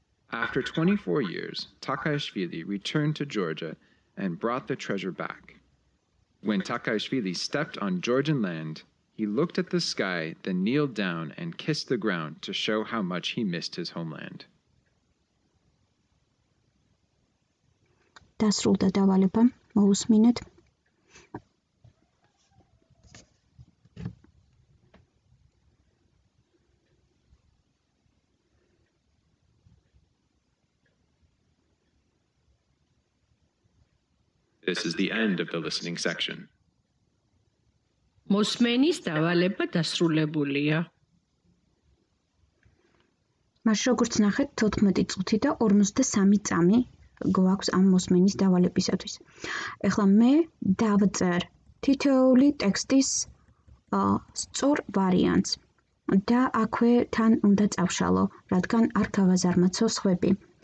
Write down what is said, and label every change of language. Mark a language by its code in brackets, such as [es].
[en] After 24 years, Takaishvili returned to Georgia and brought the treasure back. When Takaishvili stepped on Georgian land, he looked at the sky, then kneeled down and kissed the ground to show how much he missed his homeland. [ka] დასრულდა დავალება, მოუსმინეთ. [en] This is the end of the listening section. [ka] მოსმენის დავალება დასრულებულია. მას როგორც ნახეთ, 14 წუთი და 43 წამი გვაქვს ამ მოსმენის დავალებისათვის. ახლა მე დავწერ თითოეული ტექსტის სწორ ვარიანტს და აქვე თან უნდა წავშალო, რადგან არ გავაზარმაცო სხვები.